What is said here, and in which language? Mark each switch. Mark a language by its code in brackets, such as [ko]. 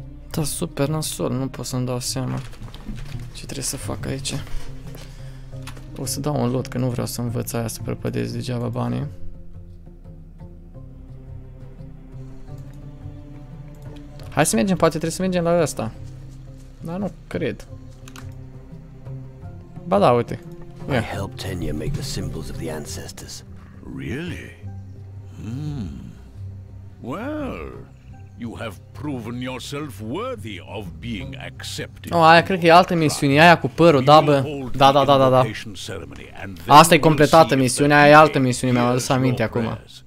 [ro] Da, super nasol, nu pot să-mi dau seama ce trebuie să fac aici. O să dau un lot, că nu vreau să învăț aia să prăpădez degeaba banii. Hai să mergem, poate trebuie să mergem la ăsta. Dar nu cred. Ba da, uite. [en] I helped Tenya make the symbols of the ancestors. Really? Hmm. Well, you have proven yourself worthy of being accepted. [ro] Oh, aia cred că e altă misiune, aia cu părul, da bă. Da, da, da, da, da. Asta e completată misiunea, aia e altă misiune, mi-am adus aminte acum.